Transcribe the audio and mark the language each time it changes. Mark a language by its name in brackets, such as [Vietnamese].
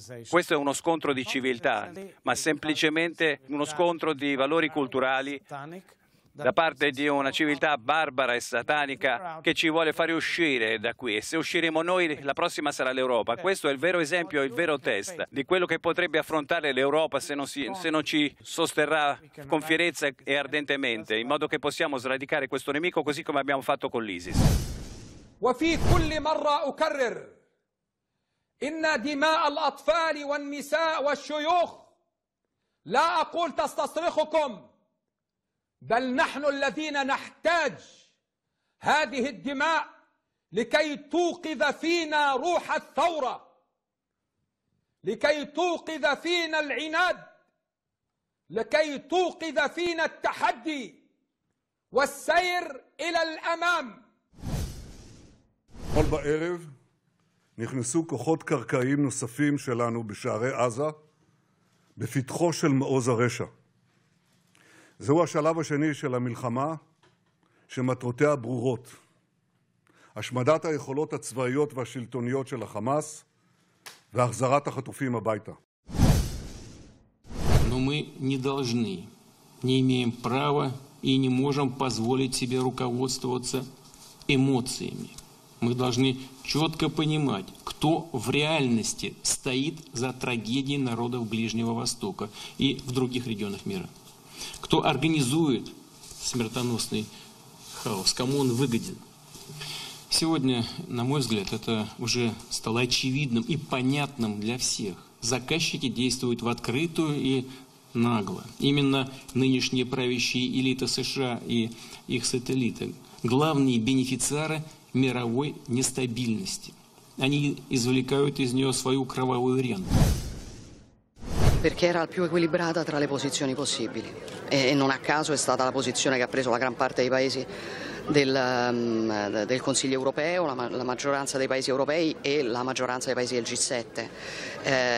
[Italian] Questo è uno scontro di civiltà, ma semplicemente uno scontro di valori culturali da parte di una civiltà barbara e satanica che ci vuole fare uscire da qui. E se usciremo noi, la prossima sarà l'Europa. Questo è il vero esempio, il vero test di quello che potrebbe affrontare l'Europa se non ci sosterrà con fierezza e ardentemente, in modo che possiamo sradicare questo nemico così come abbiamo fatto con l'ISIS. [Arabic] إن دماء الأطفال والنساء والشيوخ لا أقول تستصرخكم بل نحن الذين نحتاج هذه الدماء لكي توقظ فينا روح الثورة لكي توقظ فينا العناد لكي توقظ فينا التحدي والسير إلى الأمام كل بأيرف [Hebrew] נכנסו כוחות קרקעיים נוספים שלנו בשערי עזה, בפתחו של מעוז הרשע. זהו השלב השני של המלחמה שמטרותיה ברורות. השמדת היכולות הצבאיות והשלטוניות של החמאס והחזרת החטופים הביתה. [Russian] Но мы не должны, не имеем права и не можем позволить себе руководствоваться эмоциями. Мы должны четко понимать, кто в реальности стоит за трагедией народов Ближнего Востока и в других регионах мира. Кто организует смертоносный хаос, кому он выгоден. Сегодня, на мой взгляд, это уже стало очевидным и понятным для всех. Заказчики действуют в открытую и нагло. Именно нынешние правящие элиты США и их сателлиты, главные бенефициары мировой нестабильности. Они извлекают из нее свою кровавую ренту. [Italian] Perché era più equilibrata tra le posizioni possibili e non a caso è stata la posizione che ha preso la gran parte dei paesi del Consiglio europeo, la maggioranza dei paesi europei e la maggioranza dei paesi del G7.